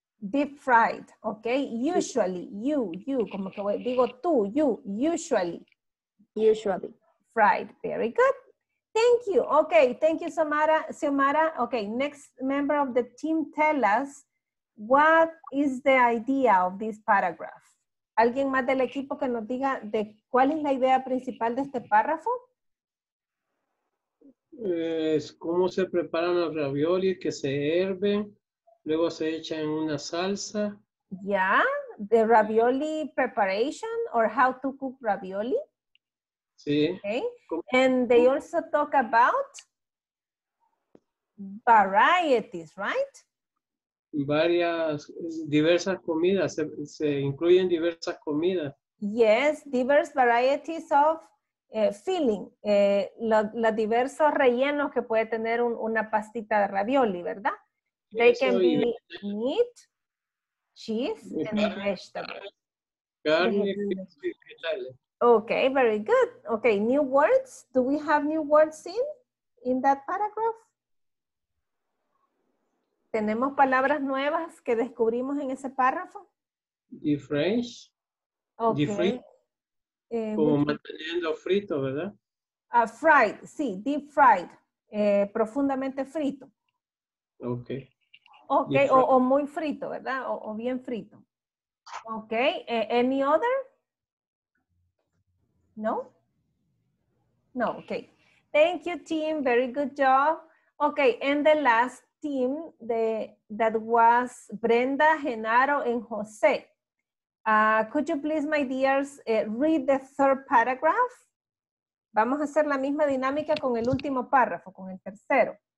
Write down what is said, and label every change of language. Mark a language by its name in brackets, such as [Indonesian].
[English] Deep fried, okay? Usually, you, [Spanish] como que digo tú, [English] you, usually. Fried, very good. Thank you, okay, thank you, Xiomara. Okay, next member of the team, tell us, what is the idea of this paragraph? [Spanish] ¿Alguien más del equipo que nos diga de cuál es la idea principal de este párrafo? Es cómo se preparan los ravioli, que se hierven, luego se echan en una salsa. [English] Yeah, the ravioli preparation or how to cook ravioli. [Spanish] Sí. [English] Okay. And they also talk about varieties, right? [Spanish] Varias, diversas comidas, se incluyen diversas comidas. [English] Yes, diverse varieties of filling, [Spanish] los diversos rellenos que puede tener una pastita de ravioli, ¿verdad? [English] They can be meat, cheese, and vegetables. [Spanish] Carne. [English] Okay, very good. Okay, new words. Do we have new words in that paragraph? [Spanish] ¿Tenemos palabras nuevas que descubrimos en ese párrafo? [English] Different. Okay. [Spanish] Different. Como manteniendo frito, ¿verdad? Fried, sí, [English] deep fried, [Spanish] profundamente frito. [English] Ok. [Spanish] Ok, o muy frito, ¿verdad? O bien frito. [English] Ok, any other? No? No, ok. Thank you, team, very good job. Ok, and the last team that was Brenda, Genaro, and José. Could you please, my dears, read the third paragraph? [Spanish] Vamos a hacer la misma dinámica con el último párrafo, con el tercero.